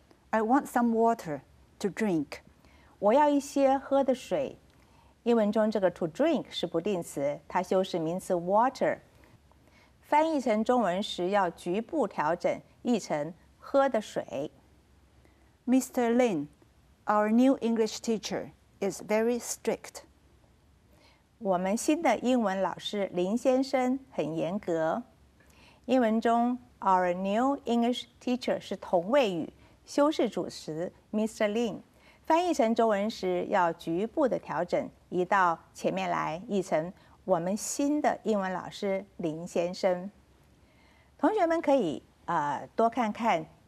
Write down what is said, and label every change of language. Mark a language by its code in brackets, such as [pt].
[en] I want some water to drink. [zh] 我要一些喝的水。英文中这个 [en] to drink [zh] 是不定词，它修饰名词 water。翻译成中文时要局部调整，译成喝的水。 [en] Mr. Lin, our new English teacher is very strict. [zh] 我们新的英文老师林先生很严格。英文中 [en] our new English teacher [zh] 是同位语，修饰主词 Mr. Lin。翻译成中文时要局部的调整，移到前面来，译成我们新的英文老师林先生。同学们可以多看看